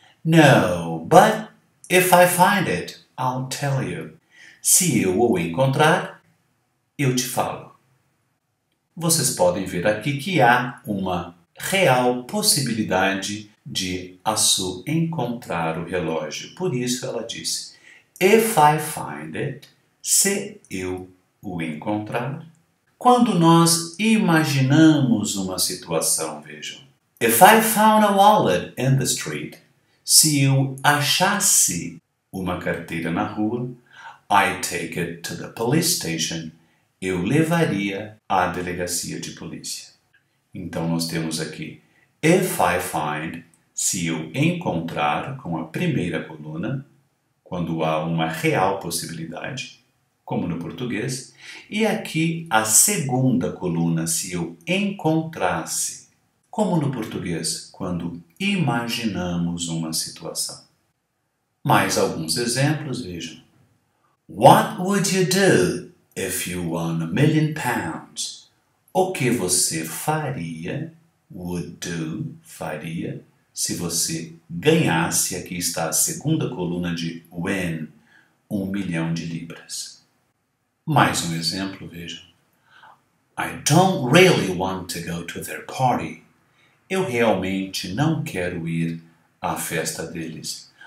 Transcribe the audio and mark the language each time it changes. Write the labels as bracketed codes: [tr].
[en] No, but if I find it, I'll tell you. [pt] Se eu o encontrar, eu te falo. Vocês podem ver aqui que há uma real possibilidade de a Sue encontrar o relógio. Por isso ela disse, [en] if I find it, [pt] se eu o encontrar. Quando nós imaginamos uma situação, vejam. [en] If I found a wallet in the street, [pt] se eu achasse uma carteira na rua, [en] I take it to the police station. [pt] Eu levaria à delegacia de polícia. Então, nós temos aqui, [en] if I find, [pt] se eu encontrar com a primeira coluna, quando há uma real possibilidade, como no português, e aqui a segunda coluna, se eu encontrasse, como no português, quando imaginamos uma situação. Mais alguns exemplos, vejam. [en] What would you do if you won £1 million? [pt] O que você faria, [en] would do, [pt] faria, se você ganhasse, aqui está a segunda coluna de win, £1 million. Mais um exemplo, vejam. [en] I don't really want to go to their party. [pt] Eu realmente não quero ir à festa deles.